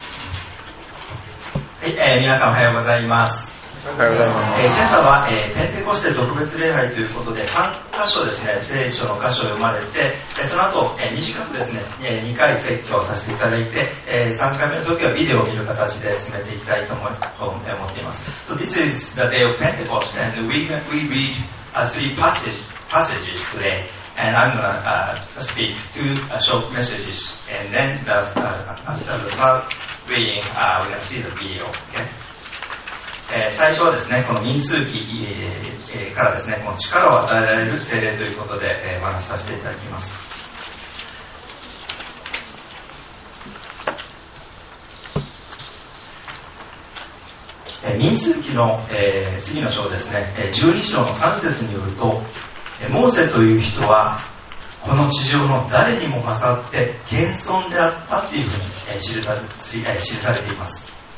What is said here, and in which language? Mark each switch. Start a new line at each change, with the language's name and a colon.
Japanese: はい、皆さんおはようございます。おはようございます。今朝は、ペンテコステ特別礼拝ということで3箇所ですね、聖書の箇所を読まれて、その後、短くですね、2回説教させていただいて、3回目の時はビデオを見る形で進めていきたいと思っています。
English: So this is the day of Pentecost and we read three passages today and I'm going to speak two short messages and then after the reading, we're going to see the video, okay?
Japanese: 最初はですね、この民数記からですね、この力を与えられる聖霊ということでお話しさせていただきます。民数記の次の章ですね、12章の3節によると、モーセという人はこの地上の誰にも勝って謙遜であったというふうに記されています。